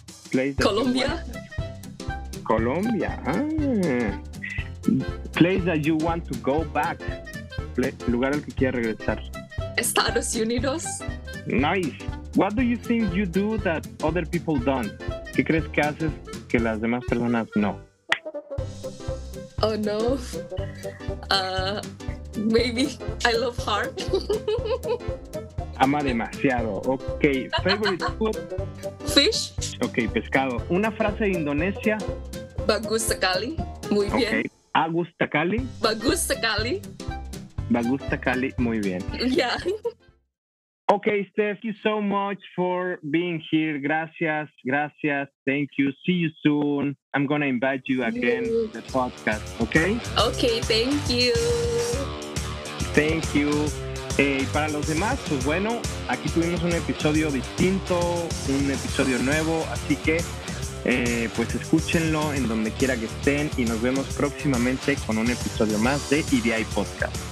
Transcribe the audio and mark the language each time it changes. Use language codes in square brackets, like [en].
[en] Place. Colombia. Colombia. Place that you want to go back. [es] Lugar al que quieras regresar. Estados Unidos. [en] Nice. What do you think you do that other people don't? [es] ¿Qué crees que haces que las demás personas no? [en] Oh, no. Maybe I love hard. [es] Ama demasiado. Ok. [en] Favorite food? Fish. [es] Ok, pescado. ¿Una frase de Indonesia? [id] Bagus sekali. [es] Muy bien. [id] Okay. Agus takali? Bagus sekali. Bagus takali. [es] Muy bien. [en] Yeah. Okay, Steph, thank you so much for being here. [es] Gracias, gracias. [en] Thank you. See you soon. I'm going to invite you again to the podcast, okay? Okay, thank you. Thank you. [es] Para los demás, pues bueno, aquí tuvimos un episodio distinto, un episodio nuevo, así que pues escúchenlo en donde quiera que estén y nos vemos próximamente con un episodio más de EDI Podcast.